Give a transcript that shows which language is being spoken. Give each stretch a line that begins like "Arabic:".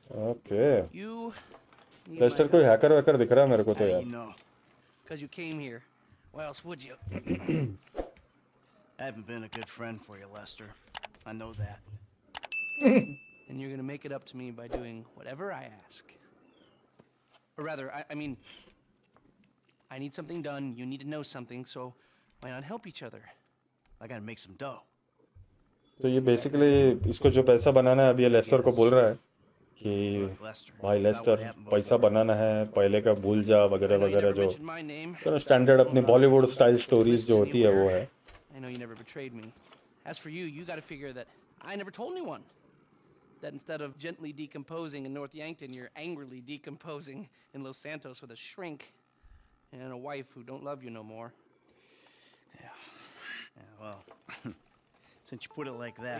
Hindi: Okay, Lester कोई hacker Wacker दिख रहा है मेरे को तो यार,
English: because you came here, why else would you? I haven't been a good friend for you, Lester. I know that. And you're gonna make it up to me by doing whatever I ask. Or rather, I mean, I need something done. You need to know something, so why not help each other? I gotta make some dough.
Hindi: तो ये basically इसको जो पैसा बनाना है अभी ये Lester को बोल रहा है कि भाई लेस्टर पैसा बनाना है, पहले का भूल जा वगैरह वगैरह, जो स्टैंडर्ड अपनी बॉलीवुड स्टाइल स्टोरीज जो होती है वो है।
English: I know you never betrayed me. As for you, you got to figure that I never told anyone. That instead of gently decomposing in North Yankton, you're angrily decomposing in Los Santos with a shrink and a wife who don't love you no more. Yeah, well, since you put it like that...